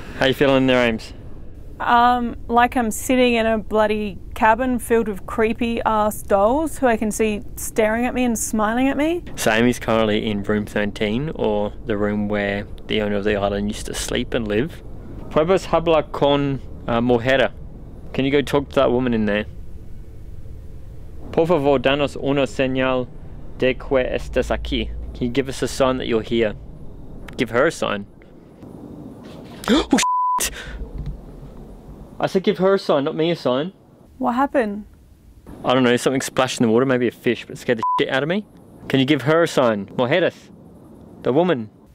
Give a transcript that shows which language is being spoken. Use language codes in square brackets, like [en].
[en] How you feeling there, Ames? Like I'm sitting in a bloody cabin filled with creepy ass dolls who I can see staring at me and smiling at me. So Amy's currently in room 13, or the room where the owner of the island used to sleep and live. [es] Puedes hablar con mujer? [en] Can you go talk to that woman in there? [es] Por favor, danos una señal de que estás aquí. [en] Can you give us a sign that you're here? Give her a sign. Oh, shit! I said give her a sign, not me a sign. What happened? I don't know, something splashed in the water, maybe a fish, but it scared the shit out of me. Can you give her a sign? Mujeres, the woman.